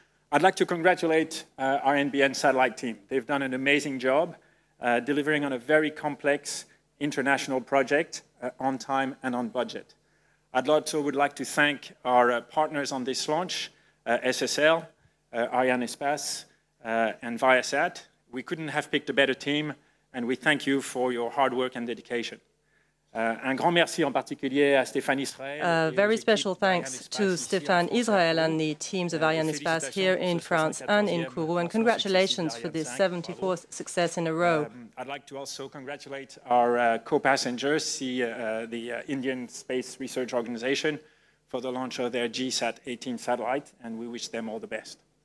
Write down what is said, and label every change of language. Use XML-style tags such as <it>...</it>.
<en>I'd like to congratulate our NBN satellite team. They've done an amazing job delivering on a very complex international project on time and on budget. I'd also would like to thank our partners on this launch, SSL, Arianespace, and Viasat. We couldn't have picked a better team, and we thank you for your hard work and dedication.</en> <fr>Un grand merci en particulier à Stéphane Israël.</fr> <en>Very special thanks to Stéphane Israël and the teams of Arianespace here in France and in Kourou, and congratulations for this 74th success in a row. I'd like to also congratulate our co-passengers, the Indian Space Research Organization, for the launch of their GSAT-18 satellite, and we wish them all the best.</en>